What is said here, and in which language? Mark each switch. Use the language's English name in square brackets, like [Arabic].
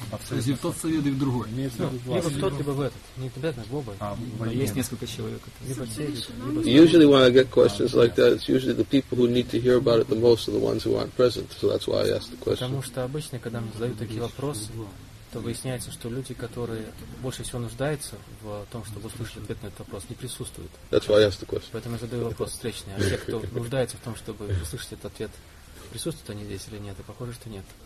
[Russian] Если тот совет, и в другой. Либо в тот, либо в этот. Не обязательно в оба. Есть несколько человек. [English] Usually when I get questions like that, it's usually the people who need to hear about it the most are the ones who aren't present. So that's why I ask the question. [Russian] Потому что обычно, когда мне задают такие вопросы, то выясняется, что люди, которые больше всего нуждаются в том, чтобы услышать ответ на этот вопрос, не присутствуют. [English] That's why I ask the question. [Russian] Поэтому я задаю вопрос встречный. А те, кто нуждается в том, чтобы услышать этот ответ, присутствуют они здесь или нет? И похоже, что нет.